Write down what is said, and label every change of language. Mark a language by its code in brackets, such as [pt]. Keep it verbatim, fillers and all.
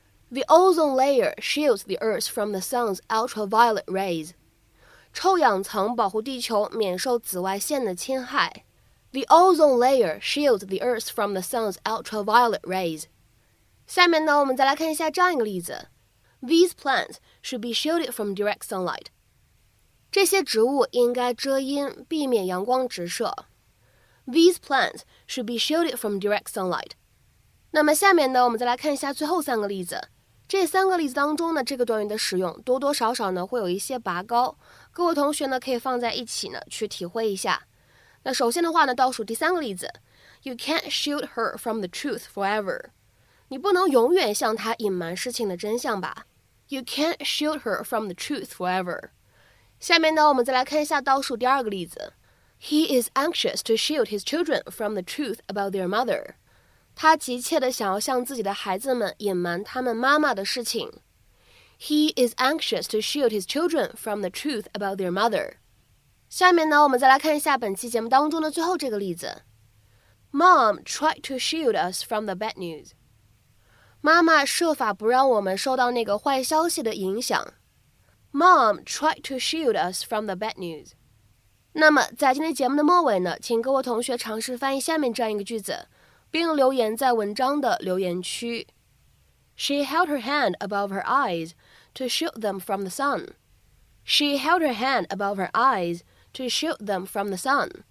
[en] The ozone layer shields the Earth from the sun's ultraviolet rays. [zh] 臭氧层保护地球免受紫外线的侵害。 [en] The ozone layer shields the Earth from the sun's ultraviolet rays. [zh] 下面呢，我们再来看一下这样一个例子。 [en] These plants should be shielded from direct sunlight. [zh] 这些植物应该遮阴，避免阳光直射。 [en] These plants should be shielded from direct sunlight. [zh] 那么下面呢，我们再来看一下最后三个例子。这三个例子当中呢，这个短语的使用多多少少呢会有一些拔高，各位同学呢可以放在一起呢去体会一下。那首先的话呢，倒数第三个例子 [en] ，You can't shield her from the truth forever。 [zh] 你不能永远向她隐瞒事情的真相吧 ？ [en] You can't shield her from the truth forever。 [zh] 下面呢，我们再来看一下倒数第二个例子 [en] ，He is anxious to shield his children from the truth about their mother。 [zh] 他急切地想要向自己的孩子们隐瞒他们妈妈的事情。 [en] He is anxious to shield his children from the truth about their mother. [zh] 下面呢，我们再来看一下本期节目当中的最后这个例子。 [en] Mom tried to shield us from the bad news. [zh] 妈妈设法不让我们受到那个坏消息的影响。 [en] Mom tried to shield us from the bad news. [zh] 那么在今天节目的末尾呢，请各位同学尝试翻译下面这样一个句子。并留言在文章的留言区。 [en] She held her hand above her eyes to shield them from the sun. She held her hand above her eyes to shield them from the sun.